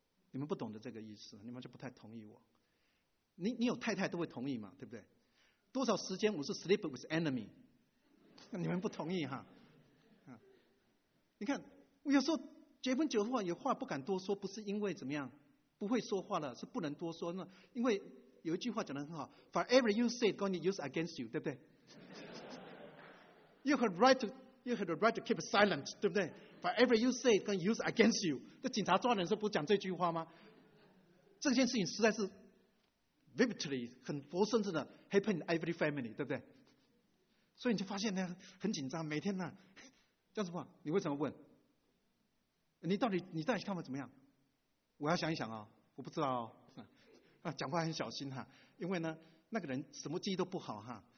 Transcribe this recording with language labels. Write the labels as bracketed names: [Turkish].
[Chinese] 你们不懂得这个意思，你们就不太同意我。你有太太都会同意嘛，对不对？多少时间我是 [English] sleep with enemy， [Chinese] 你们不同意哈。你看我有时候结婚久的话，有话不敢多说，不是因为怎么样不会说话了，是不能多说。 [English] 那因为有一句话讲得很好， For every you say God use against you， [Chinese] 对不对？ [English] You have the right to keep silent， [Chinese] 对不对？ [English] Whatever you say can use against you。 [Chinese] 这警察抓人的时候不讲这句话吗？这件事情实在是 vividly 很活生生的 [English] happen in every family， [Chinese] 对不对？所以你就发现呢，很紧张，每天呢，叫什么？你为什么问？你到底看我怎么样？我要想一想啊，我不知道啊，讲话很小心哈，因为呢，那个人什么记忆都不好哈。